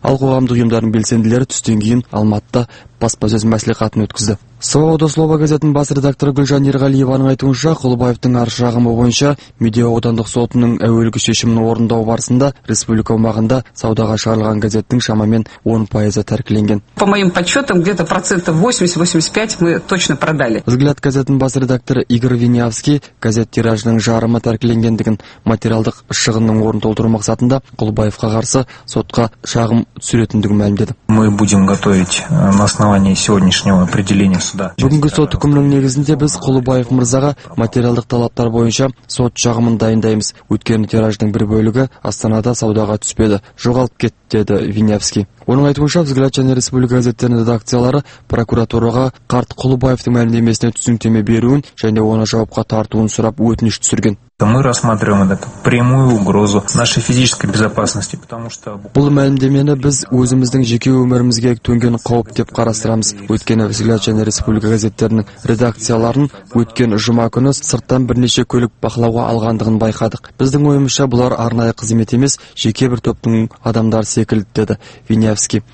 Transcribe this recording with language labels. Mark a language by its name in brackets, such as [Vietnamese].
[Kazakh] Ал қоғамдық ұйымдардың белсенділері түстен кейін Алматыда баспасөз мәслихатын өткізді. Свобода слова газетінің бас редакторы Гүлжан Ерғалиеваның айтуынша, Құлыбаевтың арыз шағымы бойынша медиа аудандық сотының әуелгі шешімін орындау барысында республика аумағында саудаға шығарылған газеттің шамамен 10% тәркіленген. [Russian] По моим подсчетам, где-то 80-85% мы точно продали. [Kazakh] Взгляд газетінің бас редакторы Игорь Винявский газет тиражының жарымы тәркілегендігін материалдық шығынның орнын толтыру мақсатында Құлыбаевқа қарсы сотқа шағым түсіретіндігін мәлімдеді. [Russian] Мы будем готовить на основании сегодняшнего определения. [Kazakh] Бүгінгі сот үкімінің негізінде біз Құлыбаев мырзаға материалдық талаптар бойынша сот шағымын дайындаймыз. Өткен тираждың бір бөлігі Астанада саудаға түспеді, жоғалып кетті, деді Винявский. Оның айтуынша, «Взгляд» және «Республика» газеттерінің редакциялары прокуратураға қарт Құлыбаевтың мәлімдемесіне түсініктеме беруін және оны жауапқа тартуын сұрап өтініш түсірген. [Russian] Мы рассматриваем это как прямую угрозу нашей физической безопасности, потому что [Kazakh] бұл мәлімдемені біз өзіміздің жеке өмірімізге төнген қауіп деп қарастырамыз. Өткені «Взгляд» және «Республика» газеттерінің редакцияларын өткен жұма күні сырттан бірнеше көлік бақылауға алғандығын байқадық. Біздің ойымызша, бұлар арнайы қызмет емес, жеке бір топтың адамдары секілді, деді Винявский.